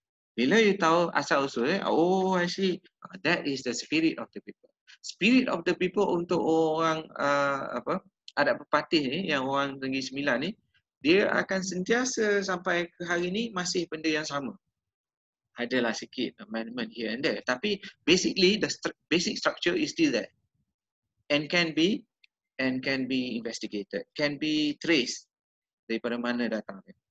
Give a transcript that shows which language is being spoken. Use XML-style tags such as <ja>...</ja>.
<ms>Bila you tahu asal-usul dia,</ms> <en>oh I see, that is the spirit of the people. spirit of the people</en> <ms>untuk orang apa adat pepatih ni, yang orang Negeri Sembilan ni, dia akan sentiasa sampai ke hari ni masih benda yang sama. Adalah sikit</ms> <en>amendment here and there, tapi basically the basic structure is still there and can be investigated, can be traced</en> <ms>daripada mana datang dia.</ms>